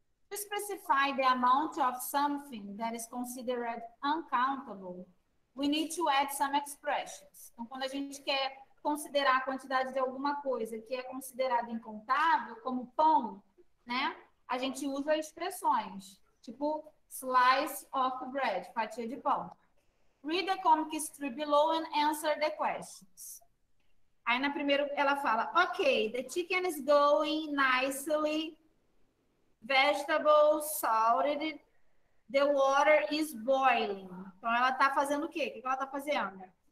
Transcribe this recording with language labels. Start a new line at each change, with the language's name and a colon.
English: To specify the amount of something that is considered uncountable, we need to add some expressions.
Portuguese: Então, quando a gente quer considerar a quantidade de alguma coisa que é considerada incontável, como pão, né? A gente usa expressões, tipo
English: slice of bread,
Portuguese: fatia de pão.
English: Read the comic strip below and answer the questions.
Portuguese: Aí na primeira ela fala:
English: "Okay, the chicken is going nicely. Vegetables salted. The water is boiling."
Portuguese: Então ela tá fazendo o quê? O que ela tá fazendo?